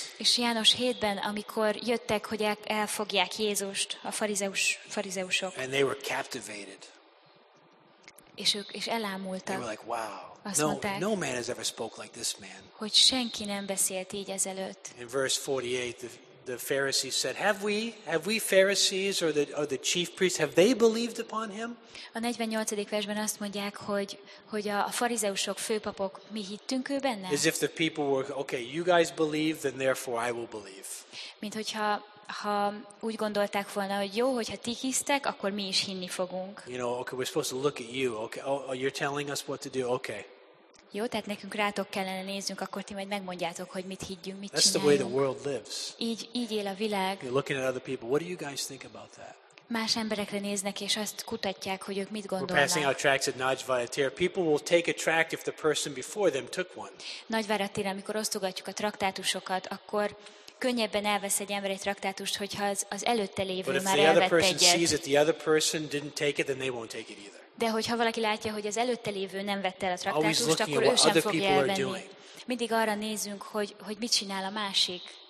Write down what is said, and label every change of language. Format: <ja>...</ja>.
<hu>És János 7-ben, amikor jöttek, hogy elfogják Jézust, a farizeusok.</hu> <en>And they were captivated. És ők is elámultak. They were like, wow. No man has ever spoke like this man.</en> <hu>Hogy senki nem beszélt így ezelőtt.</hu> <en>In verse 48, the Pharisees said, have we Pharisees or the chief priests, have they believed upon him?</en> <hu>A 48. versben azt mondják, hogy a farizeusok, főpapok, mi hittünk ő benne?</hu> <en>As if the people were, okay, you guys believe, then therefore I will believe.</en> <hu>Mint hogyha úgy gondolták volna, hogy jó, hogyha ti hisztek, akkor mi is hinni fogunk.</hu> <en>You know, okay, we're supposed to look at you, okay, oh, you're telling us what to do, okay.</en> <hu>Jó, tehát nekünk rátok kellene néznünk, akkor ti majd megmondjátok, hogy mit higgyünk, mit csináljunk.</hu> <en>That's the way the world lives.</en> <hu>Így él a világ.</hu> <en>You're looking at other people. What do you guys think about that?</en> <hu>Más emberekre néznek és azt kutatják, hogy ők mit gondolnak.</hu> <en>We're passing out tracts at Nagyváratér. People will take a tract if the person before them took one.</en> <hu>Nagyváratér, amikor osztogatjuk a traktátusokat, akkor könnyebben elvesz egy ember egy traktátust, hogyha az előtte lévő már elvette egyet.</hu> <en>But if the other person sees it, the other person didn't take it, then they won't take it either.</en> <hu>De hogyha valaki látja, hogy az előtte lévő nem vette el a traktátust, akkor ő sem fogja elvenni. Mindig arra nézünk, hogy mit csinál a másik.</hu>